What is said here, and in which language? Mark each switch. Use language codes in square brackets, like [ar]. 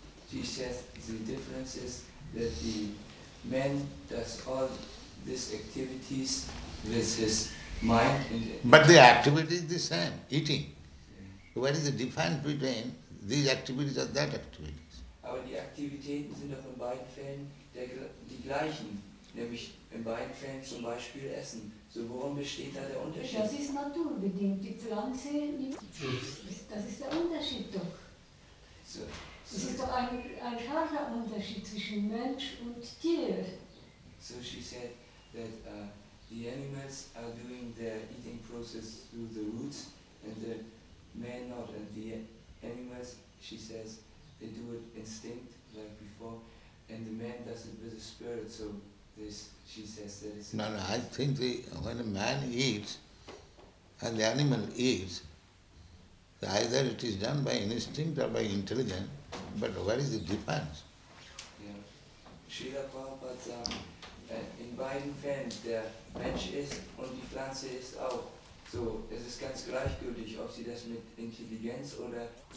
[en] She says the difference is that the man does all these activities with his mind. But the activity is the same, eating. Yeah. What is the difference between these activities or that activities? [de] Aber die Aktivitäten sind doch in beiden Fällen die gleichen. Nämlich in beiden Fällen zum Beispiel Essen. So worum besteht da der Unterschied? Das ist naturbedingt. Die Pflanze, das ist der Unterschied doch. So. Es ist doch ein klarer Unterschied zwischen Mensch und Tier. [en] So she said that the animals are doing their eating process through the roots and the man not. And the animals, she says, they do it instinct like before and the man does it with the spirit. So this, she says that it's... No, I think when a man eats and the animal eats, either it is done by instinct or by intelligence, but what is the difference? [de] Srila Prabhupada sagt, in beiden Fällen, der Mensch ist und die Pflanze ist auch. So, es ist ganz gleichgültig, ob sie das mit Intelligenz oder...